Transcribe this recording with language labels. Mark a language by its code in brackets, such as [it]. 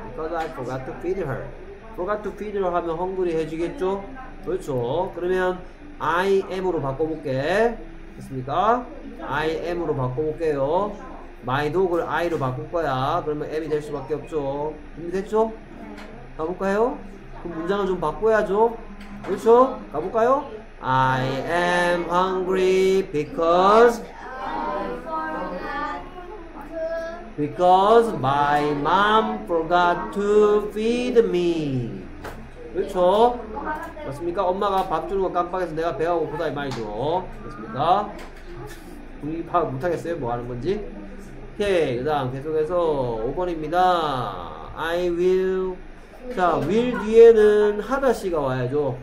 [en] Because I forgot to feed her. Forgot to feed her [ko] 하면 [en] hungry [ko] 해지겠죠? 그렇죠. 그러면 I am으로 바꿔볼게. 됐습니까? I am으로 바꿔볼게요. My dog을 I로 바꿀 거야. 그러면 M이 될 수밖에 없죠. 준비됐죠? 가볼까요? 그럼 문장을 좀 바꿔야죠. 그렇죠? 가볼까요? [en] I am hungry because because my mom forgot to feed me. [ko] 그렇죠? 맞습니까? 엄마가 밥 주는 거 깜빡해서 내가 배가 고프다 이 말이죠. 맞습니까? 분이 파악 못하겠어요? 뭐 하는 건지? 오케이. 그 다음 계속해서 5번입니다. [en] I will. [ko] 자, will 뒤에는 하다씨가 와야죠.